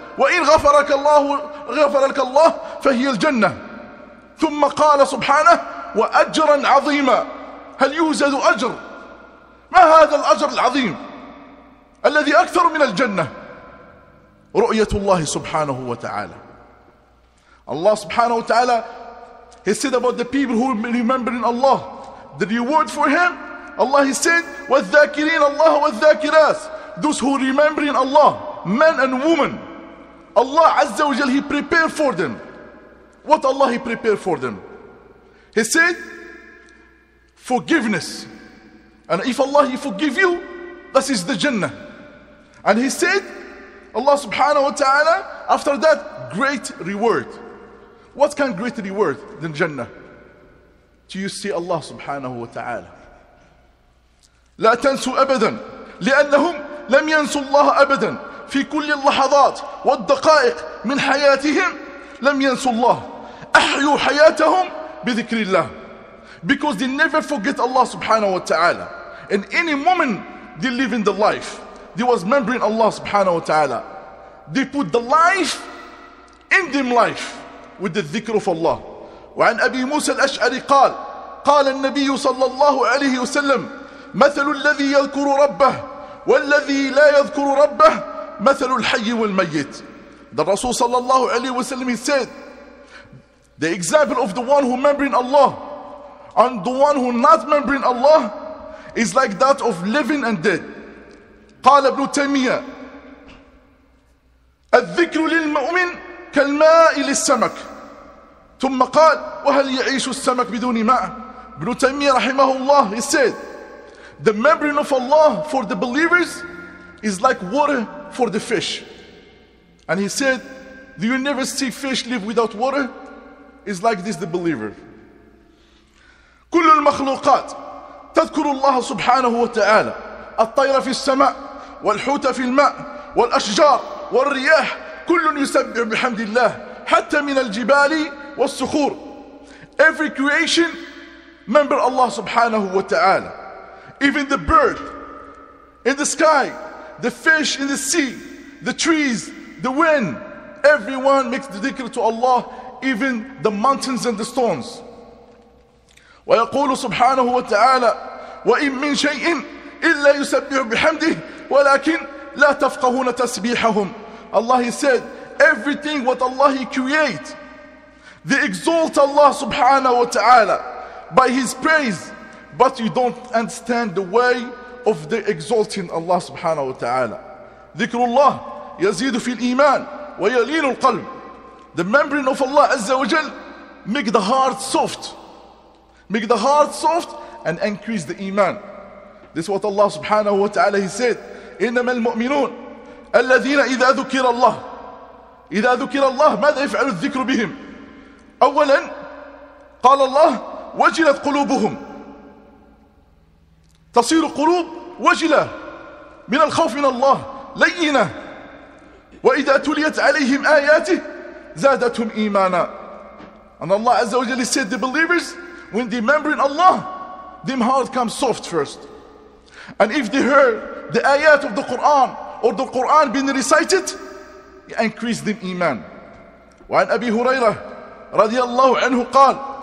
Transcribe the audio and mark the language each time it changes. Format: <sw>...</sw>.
<ar>وَإِنْ غَفَرَكَ اللَّهُ غَفَرَكَ اللَّهُ فَهِيَ الْجَنَّةِ. ثم قال سبحانه: وأجرا عظيما. هل يوجد أجر؟ ما هذا الأجر العظيم الذي أكثر من الجنة؟ رؤية الله سبحانه وتعالى.</ar> <en>الله سبحانه وتعالى he said about the people who remembering Allah, the reward for him, Allah he said</en> <ar>والذاكرين الله والذاكرات,</ar> <en>those who remembering Allah, men and women, Allah عز وجل he prepared for them. What Allah he prepared for them? He said, forgiveness. And if Allah he forgive you, this is the Jannah. And he said, Allah subhanahu wa ta'ala, after that, great reward. What kind of great reward than Jannah? Do you see Allah subhanahu wa ta'ala?</en> <ar>لا تنسوا أبدا لأنهم لم ينسوا الله أبدا في كل اللحظات والدقائق من حياتهم لم ينسوا الله. أحيوا حياتهم بذكر الله.</ar> <en>Because they never forget Allah subhanahu wa ta'ala. In any moment they live in the life, they was remembering Allah subhanahu wa ta'ala. They put the life in them life with the dhikr of Allah.</en> <ar>وعن أبي موسى الأشعري قال: قال النبي صلى الله عليه وسلم: مثل الذي يذكر ربه والذي لا يذكر ربه مثل الحي والميت.</ar> <en>The Rasul صلى الله عليه وسلم said, the example of the one who remembering Allah and the one who not remembering Allah is like that of living and dead.</en> <ar>قال ابن تيمية: الذكر للمؤمن كالماء للسمك. ثم قال: وهل يعيش السمك بدون ماء؟ ابن تيمية رحمه الله</ar> <en>he said, the remembering of Allah for the believers is like water for the fish. And he said, do you never see fish live without water? Is like this the believer.</en> <ar>كل المخلوقات تذكر الله سبحانه وتعالى. الطير في السماء والحوت في الماء والأشجار والرياح كل يسبح بحمد الله حتى من الجبال والصخور.</ar> <en>Every creation remember Allah سبحانه وتعالى. Even the bird in the sky, the fish in the sea, the trees, the wind, everyone makes the dhikr to Allah. Even the mountains and the stones.</en> <ar>ويقول سبحانه وتعالى: وإن من شيء إلا يسبح بحمده ولكن لا تفقهون تسبيحهم.</ar> <en>Allah he said, everything what Allah he create, they exalt Allah سبحانه وتعالى by his praise, but you don't understand the way of the exalting Allah سبحانه وتعالى.</en> <ar>ذكر الله يزيد في الإيمان ويلين القلب.</ar> <en>The membrane of Allah Azza wa Jal make the heart soft. Make the heart soft and increase the iman. This is what Allah subhanahu wa ta'ala he said.</en> <ar>إِنَّمَا الْمُؤْمِنُونَ الَّذِينَ إِذَا ذُكِرَ اللَّهِ. إِذَا ذُكِرَ اللَّهِ ماذا يفعل الذكر بهم؟ أولا قال الله: وَجِلَتْ قُلُوبُهُمْ. تصير قلوب وجلة من الخوف من الله، لينة. وَإِذَا تُلِيَتْ عَلَيْهِمْ آيَاتِهِ زادتهم إيمانا.</ar> <en>And Allah Azza wa Jalla said, the believers, when they remember in Allah, their heart comes soft first. And if they heard the ayat of the Quran or the Quran being recited, it increased them إيمان.</en> <ar>وعن أبي هريرة رضي الله عنه قال:</ar>